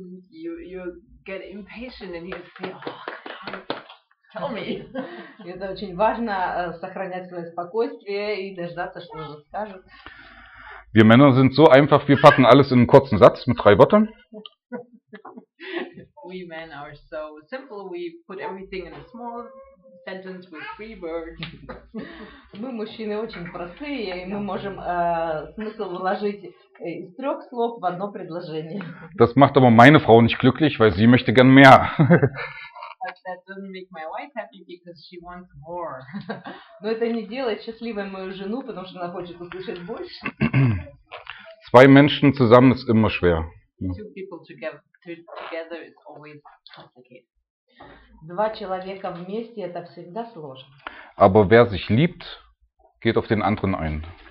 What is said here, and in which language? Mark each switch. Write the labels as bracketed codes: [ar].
[en] You get impatient and you say, oh, tell me. [ru] Это очень важно сохранять свое спокойствие и дождаться, что он скажет. [de] Wir Männer sind so einfach, wir packen alles in einen kurzen Satz mit drei Wörtern. [en] We men are so simple, we put everything in a small sentence with three words. [ru] Мы мужчины очень простые, и мы можем смысл вложить из трех слов в одно предложение. [de] Das macht aber meine Frau nicht glücklich, weil sie möchte gern mehr. [en] But that doesn't make my wife happy because she wants more. [ru] Но это не делает счастливой мою жену, потому что она хочет услышать больше. [de] Zwei Menschen zusammen ist immer schwer. [en] Two people together is always complicated. [ru] Два человека вместе это всегда сложно. [de] Aber wer sich liebt, geht auf den anderen ein.